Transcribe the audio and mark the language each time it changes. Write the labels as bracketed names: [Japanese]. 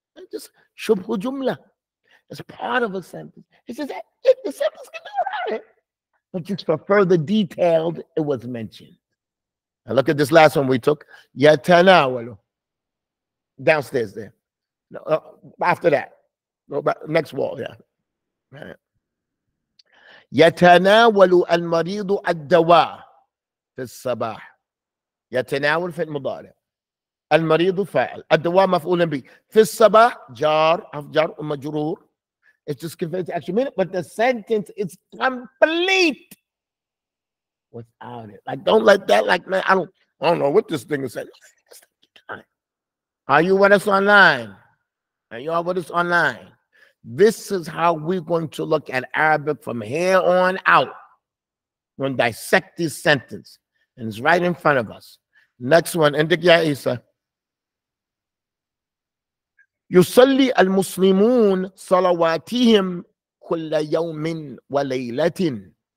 [English] Just shubhu jumla. It's part of a sentence. He says, if the sentence can do without it. But just for further detailed, it was mentioned. Now look at this last one we took. Yatanawalu. Downstairs there. After that. next wall, yeah. [Arabic] يتناولوا المريض الدواء في الصباح. يتناول في المضارع. المريض فاعل. الدواء مفعول به. في الصباح جار أو جار ومجرور. [English] It's just converted to action. But the sentence is complete without it. Like, don't let that, like, man, I don't know what this thing is saying. Are you with us online? Are y'all with us online? This is how we're going to look at Arabic from here on out. We're going to dissect this sentence. And it's right in front of us. Next one. And the Isa. [Arabic] يصلي المسلمون صلواتهم كل يوم وليلة.